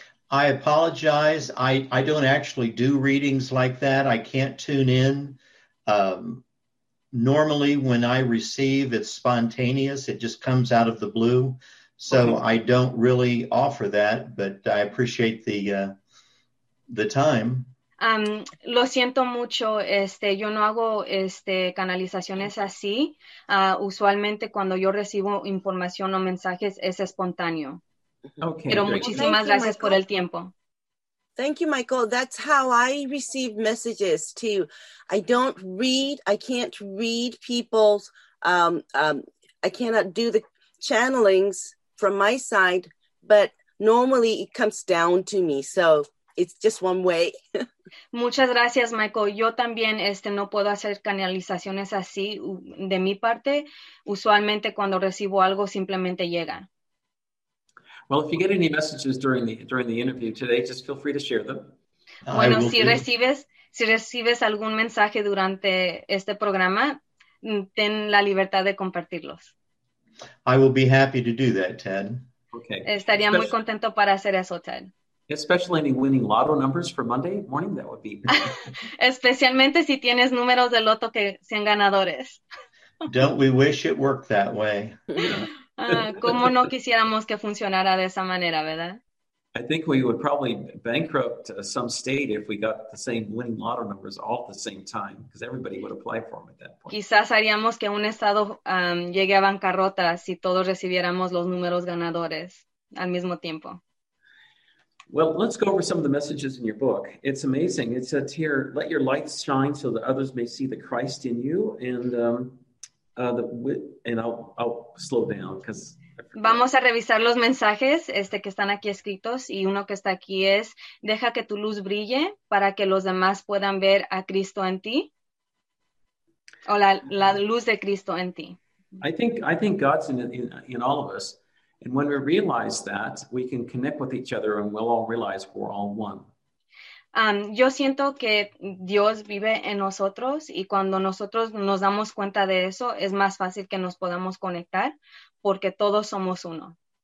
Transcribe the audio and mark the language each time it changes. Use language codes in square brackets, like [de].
[en] I apologize. I don't actually do readings like that. I can't tune in. Normally, when I receive, it's spontaneous. It just comes out of the blue. So Okay. I don't really offer that, but I appreciate the time. [es] Lo siento mucho, yo no hago canalizaciones así. Usualmente cuando yo recibo información o mensajes es espontáneo. [en] Okay, [es] Pero [en] great. [es] muchísimas [en] Thank you, [es] gracias por el [en] Michael. [es] tiempo. [en] Thank you, Michael. That's how I receive messages too. I don't read. I can't read people's. I cannot do the channelings from my side, but normally it comes down to me. So it's just one way. [es] Muchas gracias, Michael. Yo también no puedo hacer canalizaciones así de mi parte. Usualmente cuando recibo algo simplemente llega. [en] Well, if you get any messages during the interview today, just feel free to share them. I will do. [es] Si recibes algún mensaje durante este programa, ten la libertad de compartirlos. [en] I will be happy to do that, Ted. Okay. [es] Estaría muy contento para hacer eso, Ted. [en] Especially any winning lotto numbers for Monday morning, that would be. [es] Especialmente si tienes números de loto que sean ganadores. [en] Don't we wish it worked that way? Yeah. [es] ¿Cómo no quisiéramos que funcionara de esa manera, verdad? [en] I think we would probably bankrupt some state if we got the same winning lottery numbers all at the same time, because everybody would apply for them at that point. [es] Quizás haríamos que un estado llegue a bancarrota si todos recibiéramos los números ganadores al mismo tiempo. [en] Well, let's go over some of the messages in your book. It's amazing. It says here, let your light shine so that others may see the Christ in you. And I'll slow down because I forget. [es] Vamos a revisar los mensajes que están aquí escritos, y uno que está aquí es: deja que tu luz brille para que los demás puedan ver a Cristo en ti, o la luz de Cristo en ti. [en] I think God's in all of us, and when we realize that, we can connect with each other, and we'll all realize we're all one. [es] Yo siento que Dios vive en nosotros, y cuando nosotros nos damos cuenta de eso, es más fácil que nos podamos conectar porque todos somos uno.